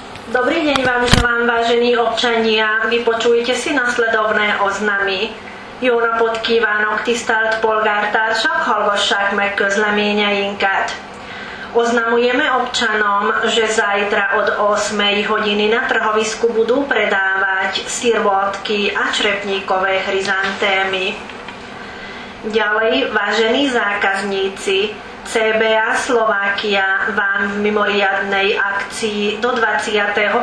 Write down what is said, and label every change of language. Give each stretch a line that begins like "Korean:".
Slovak: Dobrý deň vám želám, vážení občania. Vypočujte si nasledovné oznamy.
Hungarian: Jó napot kívánok, tisztelt polgártársak, hallgassák meg közleményeinket.
Slovak: Oznamujeme občanom, že zajtra od 8. hodiny na trhovisku budú predávať sirvotky a črepníkové chryzantémy. Ďalej, vážení zákazníci, CBA Slovakia vám v mimoriadnej akcii do 25.